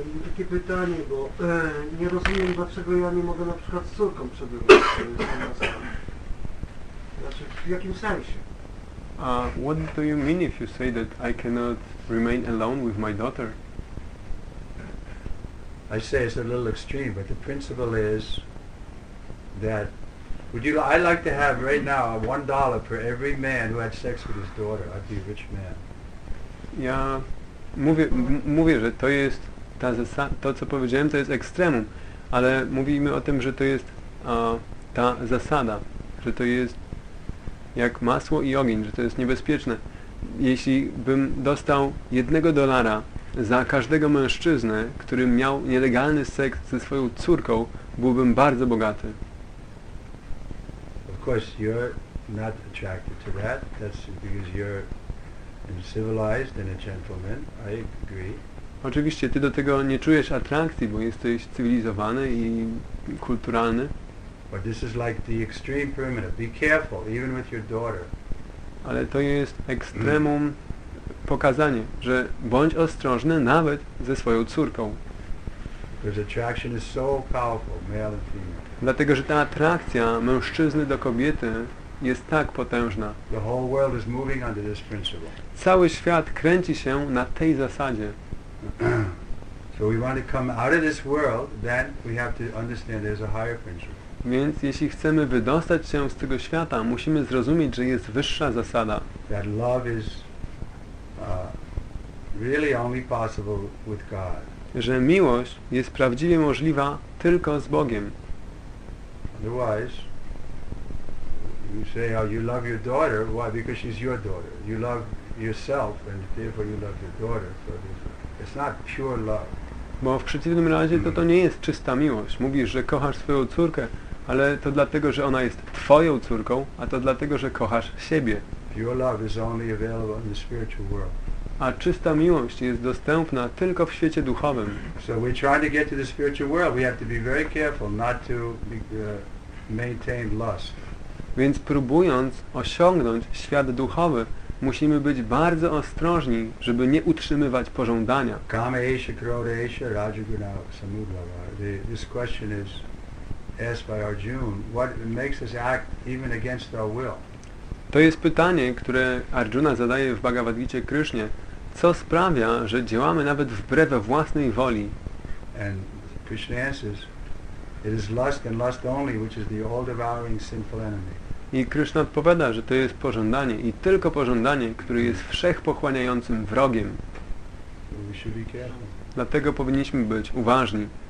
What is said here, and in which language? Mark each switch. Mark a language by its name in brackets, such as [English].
[Polish] Takie pytanie, bo nie rozumiem, dlaczego ja nie mogę na przykład z córką przebywać sam na sam. Znaczy, w jakim sensie? [English] What do you mean if you say that I cannot remain alone with my daughter? I say it's a little extreme, but the principle is that I like to have right now $1 for every man who had sex with his daughter. I'd be a rich man. [Polish] Ja mówię, że to jest to, co powiedziałem, to jest ekstremum, ale mówimy o tym, że to jest ta zasada, że to jest jak masło i ogień, że to jest niebezpieczne. Jeśli bym dostał $1 za każdego mężczyznę, który miał nielegalny seks ze swoją córką, byłbym bardzo bogaty. [English] Of course, you're not attracted to that. That's because you're civilized and a gentleman. I agree. [Polish] Oczywiście, ty do tego nie czujesz atrakcji, bo jesteś cywilizowany i kulturalny. [English] But this is like the extreme primitive. Be careful, even with your daughter. [Polish] Ale to jest ekstremum pokazanie, że bądź ostrożny nawet ze swoją córką. [English] Because attraction is so powerful, male and female. [Polish] Dlatego, że ta atrakcja mężczyzny do kobiety jest tak potężna. [English] The whole world is moving under this principle. [Polish] Cały świat kręci się na tej zasadzie. [English] So we want to come out of this world, then we have to understand there's a higher principle. [Polish] Więc jeśli chcemy wydostać się z tego świata, musimy zrozumieć, że jest wyższa zasada. [English] That love is really only possible with God. [Polish] Że miłość jest prawdziwie możliwa tylko z Bogiem. [English] Otherwise, you say, oh, you love your daughter. Why? Because she's your daughter. You love yourself, and therefore you love your daughter. So it's not pure love. [Polish] Bo w przeciwnym razie to nie jest czysta miłość. Mówisz, że kochasz swoją córkę, ale to dlatego, że ona jest twoją córką, a to dlatego, że kochasz siebie. [English] Pure love is only available in the spiritual world. [Polish] A czysta miłość jest dostępna tylko w świecie duchowym. [English] So we're trying to get to the spiritual world. We have to be very careful not to maintain lust. [Polish] Więc próbując osiągnąć świat duchowy, musimy być bardzo ostrożni, żeby nie utrzymywać pożądania. [Sanskrit] Kamesha, krodesha, rajaguna, samudrava. [English] This question is asked by Arjuna. What makes us act even against our will? [Polish] To jest pytanie, które Arjuna zadaje w Bhagavad Gita Krishnie. Co sprawia, że działamy nawet wbrew własnej woli? [English] And Krishna answers, It is lust and lust only which is the all-devouring sinful enemy. [Polish] I Krishna odpowiada, że to jest pożądanie i tylko pożądanie, które jest wszechpochłaniającym wrogiem. [English] We should be careful. [Polish] Dlatego powinniśmy być uważni.